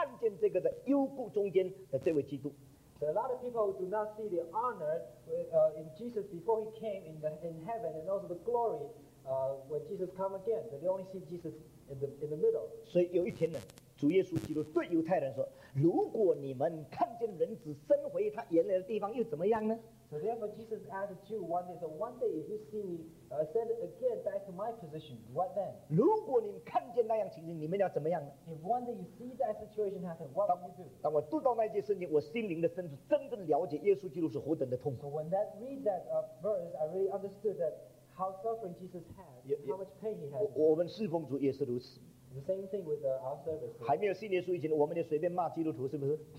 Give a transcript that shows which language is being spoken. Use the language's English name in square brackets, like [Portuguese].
[Chinese] 是很少人的，他明白耶稣基督在天上的尊贵，他在以后中间的得胜，他们只看见这个在幽谷中间的这位基督。 [English] So a lot of people do not see the honor in Jesus before he came in heaven, and also the glory when Jesus come again. So they only see Jesus in the middle. [Chinese] 所以有一天呢。主耶稣基督对犹太人说：“如果你们看见人子升回他原来的地方，又怎么样呢？” [English] So therefore, Jesus asked the Jew one day, "So one day, if you see me ascend again back to my position, what then?" [Chinese] 如果你们看见那样情形，你们要怎么样呢？ [English] If one day you see that situation happen, what will you do? [Chinese] 当我读到那节圣经，我心灵的深处真正了解耶稣基督是何等的痛苦。 [English] So when I read that verse, I really understood that how suffering Jesus had, how much pain he had. [Chinese] 我们侍奉主也是如此。 [English] The same thing with our service. [Chinese] 还没有信耶稣以前，我们就随便骂基督徒，是不是？